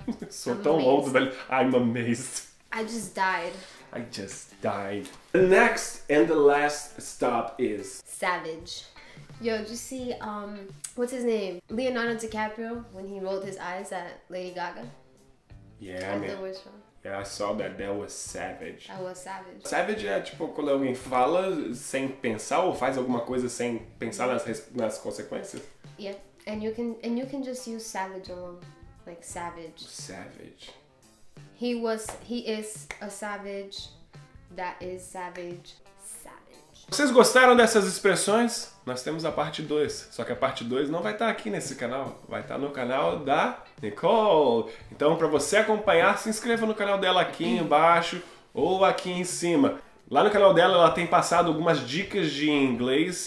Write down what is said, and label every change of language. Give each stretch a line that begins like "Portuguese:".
Portuguese: Sou tão louco, velho.
English: I'm amazed. I just died. I just died. The next and the last stop is savage. Yo, did you see, what's his name? Leonardo DiCaprio, when he rolled his eyes at Lady Gaga? Yeah, man. Yeah, I saw that. That was savage. That was savage.
Portuguese: Savage é tipo quando alguém fala sem pensar ou faz alguma coisa sem pensar nas consequências.
English: Yeah, and you can just use savage alone. Like savage. Savage. He is a savage that is savage.
Portuguese: Vocês gostaram dessas expressões? Nós temos a parte 2. Só que a parte 2 não vai estar aqui nesse canal. Vai estar no canal da Nicole. Então, para você acompanhar, se inscreva no canal dela aqui embaixo ou aqui em cima. Lá no canal dela, ela tem passado algumas dicas de inglês.